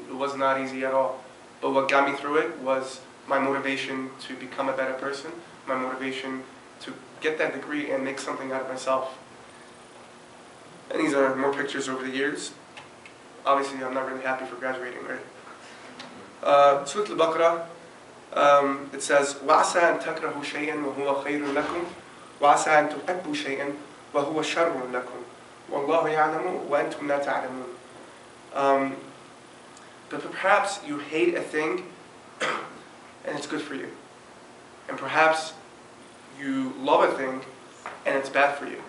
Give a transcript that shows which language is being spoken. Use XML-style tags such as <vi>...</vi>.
<en>It was not easy at all. But what got me through it was my motivation to become a better person, my motivation to get that degree and make something out of myself. And these are more pictures over the years. Obviously, I'm not really happy for graduating, right? Surah Al-Baqarah, it says,</en> <ar>وَعَسَىٰ أَن تَكْرَهُ شَيْئًا وَهُوَ خَيْرٌ لَكُمْ وَعَسَىٰ أَن تُحِبُّ شَيْئًا وَهُوَ شَرٌ لَكُمْ وَاللَّهُ يَعْلَمُ وَأَنْتُمْ لَا تَعْلَمُونَ.</ar> <en>But perhaps you hate a thing and it's good for you. And perhaps you love a thing and it's bad for you.</en>